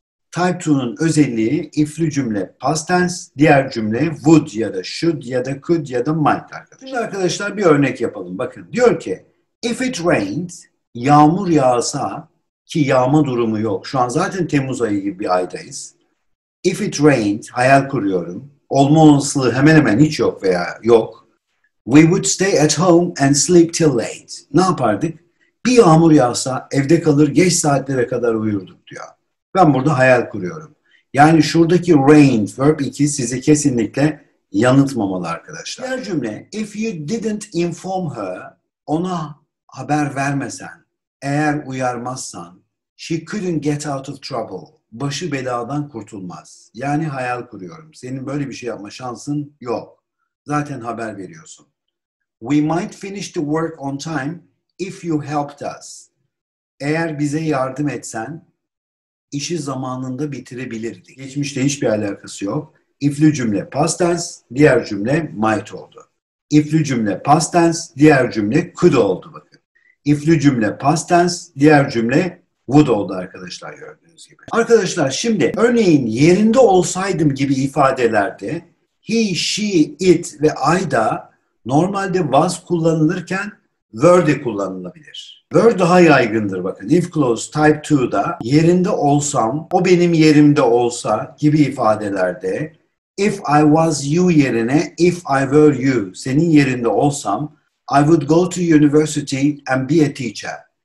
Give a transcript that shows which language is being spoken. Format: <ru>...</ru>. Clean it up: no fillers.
<tr>Type 2'nun özelliği if'li cümle past tense, diğer cümle would ya da should ya da could ya da might arkadaşlar. Şimdi arkadaşlar bir örnek yapalım. Bakın diyor ki</tr> <en>if it rained,</en> <tr>yağmur yağsa, ki yağma durumu yok. Şu an zaten Temmuz ayı gibi bir aydayız.</tr> <en>If it rained,</en> <tr>hayal kuruyorum. Olma olasılığı hemen hemen hiç yok veya yok.</tr> <en>We would stay at home and sleep till late.</en> <tr>Ne yapardık? Bir yağmur yağsa evde kalır, geç saatlere kadar uyurduk diyor. Ben burada hayal kuruyorum. Yani şuradaki rain verb 2 sizi kesinlikle yanıltmamalı arkadaşlar. Diğer cümle,</tr> <en>if you didn't inform her,</en> <tr>ona haber vermesen, eğer uyarmazsan,</tr> <en>she couldn't get out of trouble.</en> <tr>Başı beladan kurtulmaz. Yani hayal kuruyorum. Senin böyle bir şey yapma şansın yok. Zaten haber veriyorsun.</tr> <en>We might finish the work on time if you helped us.</en> <tr>Eğer bize yardım etsen, İşi zamanında bitirebilirdik. Geçmişte hiçbir alakası yok. If'li cümle past tense, diğer cümle might oldu. If'li cümle past tense, diğer cümle could oldu bakın. If'li cümle past tense, diğer cümle would oldu arkadaşlar gördüğünüz gibi. Arkadaşlar şimdi örneğin yerinde olsaydım gibi ifadelerde he, she, it ve I da normalde was kullanılırken were de kullanılabilir. Were daha yaygındır bakın. If clause type 2'da yerinde olsam, o benim yerimde olsa gibi ifadelerde</tr> <en>if I was you</en> <tr>yerine</tr> <en>if I were you,</en> <tr>senin yerinde olsam</tr> <en>I would go to university and be a teacher.</en>